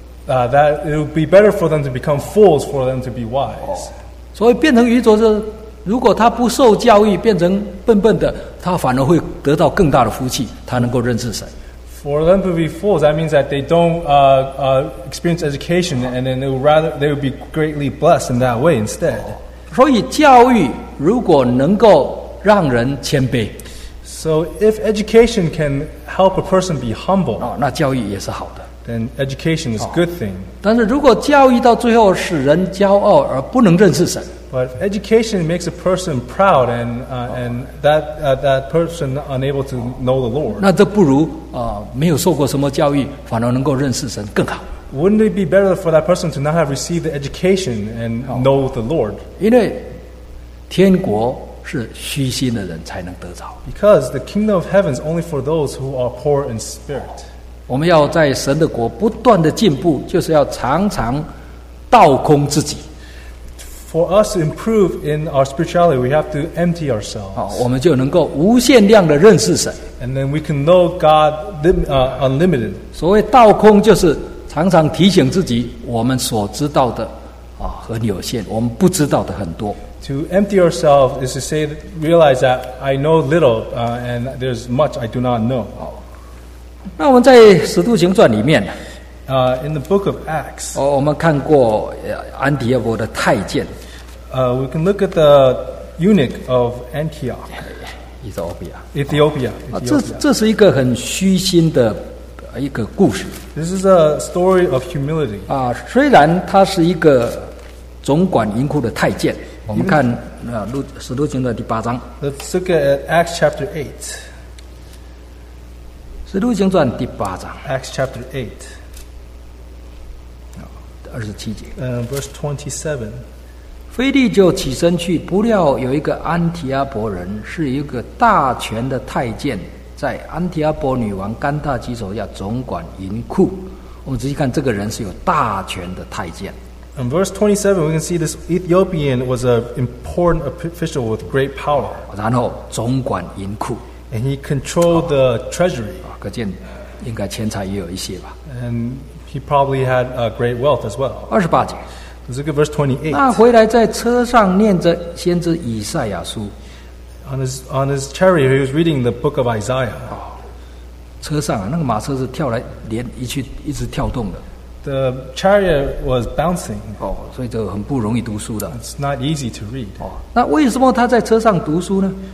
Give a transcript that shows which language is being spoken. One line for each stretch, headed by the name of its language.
English: That it would be better for them to become fools, for them to be wise.
Chinese: 所以变成愚拙是，如果他不受教育，变成笨笨的，他反而会得到更大的福气，他能够认识神。
English: For them to be fools, that means that they don't experience education, and then they would be greatly blessed in that way instead.
Chinese: 所以教育如果能够让人谦卑，
English: So if education can help a person be humble,
Chinese: 那教育也是好的。
English: Then education is a good thing.
Chinese: 但是如果教育到最后使人骄傲而不能认识神，
English: But education makes a person proud and that person unable to know the Lord.
Chinese: 那这不如没有受过什么教育反而能够认识神更好。
English: Wouldn't it be better for that person to not have received the education and know the Lord?
Chinese: 因为天国是虚心的人才能得着。
English: Because the kingdom of heaven is only for those who are poor in spirit.
Chinese: 我们要在神的国不断的进步，就是要常常倒空自己。
English: For us to improve in our spirituality, we have to empty ourselves.
Chinese: 我们就能够无限量的认识神。
English: And then we can know God unlimited.
Chinese: 所谓倒空，就是常常提醒自己，我们所知道的很有限，我们不知道的很多。
English: To empty ourselves is to say, realize that I know little, and there's much I do not know.
Chinese: 那我们在《使徒行传》里面，
English: in the book of Acts,
Chinese: 我们看过安提阿伯的太监。
English: We can look at the eunuch of Antioch, Ethiopia.
Chinese: 这是一个很虚心的一个故事。
English: This is a story of humility.
Chinese: 虽然他是一个总管银库的太监，我们看《使徒行传》第八章。
English: Let's look at Acts chapter 8.
Chinese: 《使徒行传》第八章
English: ，Acts chapter 8，
Chinese: 二十七节。
English: Verse 27，
Chinese: 腓力就起身去，不料有一个安提阿伯人，是一个大权的太监，在安提阿波女王甘大基手下总管银库。我们仔细看，这个人是有大权的太监。
English: In verse 27, we can see this Ethiopian was an important official with great power.
Chinese: 然后总管银库。
English: And he controlled the treasury.
Chinese: 可见应该钱财也有一些吧。
English: And he probably had a great wealth as well.
Chinese: 二十八节。
English: Let's look at verse 28.
Chinese: 那回来在车上念着先知以赛亚书。
English: On his chariot, he was reading the book of Isaiah.
Chinese: 车上啊，那个马车是跳来连一去一直跳动的。
English: The chariot was bouncing.
Chinese: 所以就很不容易读书的。
English: It's not easy to read.
Chinese: 那为什么他在车上读书呢